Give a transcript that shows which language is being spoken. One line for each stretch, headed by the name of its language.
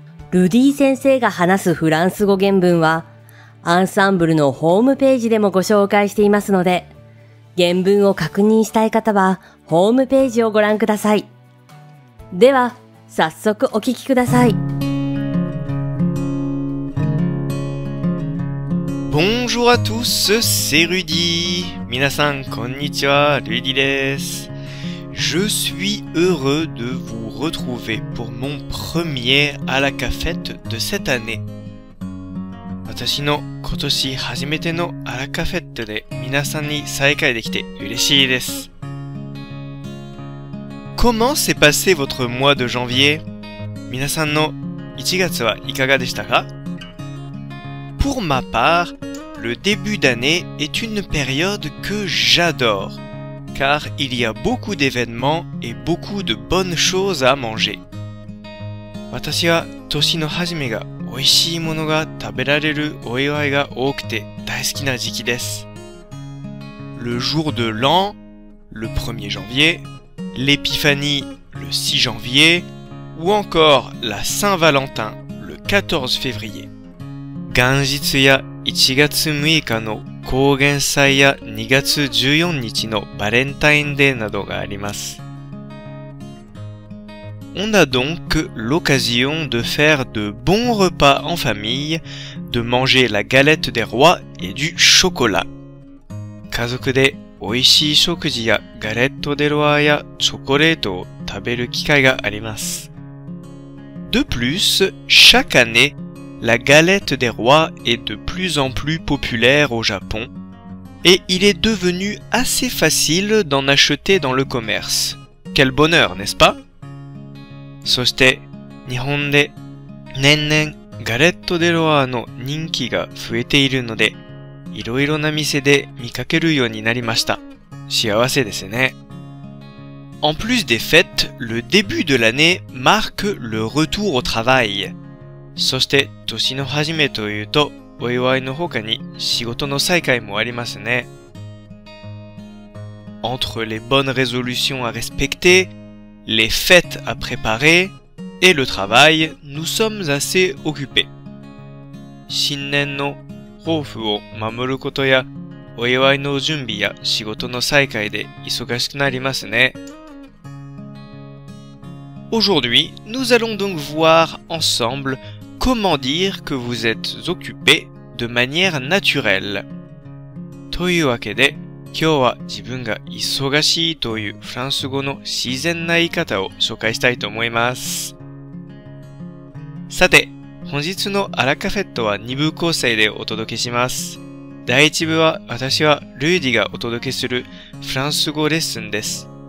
Japanese: ルディ先生が話すフランス語原文はアンサンブルのホームページでもご紹介していますので、原文を確認したい方はホームページをご覧ください。では早速お聞きください。
French: Bonjour à tous, c'est Rudy.
Japanese: 皆さんこんにちは、ルディです。
French: Je suis heureux de vous retrouver pour mon premier à la cafette de cette année.
Japanese: 私の今年初めてのあらカフェットで皆さんに再会できて嬉しいです。
French: Comment s'est passé votre mois de janvier?
Japanese: 皆さんの1月はいかがでしたか?
French: Pour ma part, le début d'année est une période que j'adore. Car il y a beaucoup d'événements et beaucoup de bonnes choses à manger.
Japanese: 私は年の初めが美味しいものが食べられるお祝いが多くて大好きな時期です。
French: Le jour de l'an, le 1er janvier, l'épiphanie, le 6 janvier, ou encore la Saint-Valentin, le 14 février.
Japanese: 元日や1月6日の高原祭や2月14日のバレンタインデーなどがあります。
French: On a donc l'occasion de faire de bons repas en famille, de manger la galette des rois et du chocolat.
Japanese: 家族で美味しい食事やガレットデロワやチョコレートを食べる機会があります。
French: De plus, chaque année,La galette des rois est de plus en plus populaire au Japon et il est devenu assez facile d'en acheter dans le commerce. Quel bonheur, n'est-ce pas?
Japanese: そして、日本で年々ガレットデロワの人気が増えているので、いろいろな店で見かけるようになりました。幸せですね。
French: En plus des fêtes, le début de l'année marque le retour au travail.
Japanese: そして年の始めというとお祝いの他に仕事の再開もありますね。
French: Entre les bonnes résolutions à respecter, les fêtes à préparer et le travail, nous sommes assez occupés.
Japanese: 新年の抱負を守ることやお祝いの準備や仕事の再開で忙しくなりますね。
French: Aujourd'hui, nous allons donc voir ensemble comment dire que vous êtes occupé de manière naturelle.
Japanese: というわけで、今日は自分が忙しいというフランス語の自然な言い方を紹介したいと思います。さて、本日のアラカフェットは2部構成でお届けします。第1部は私はルーディがお届けするフランス語レッスンです。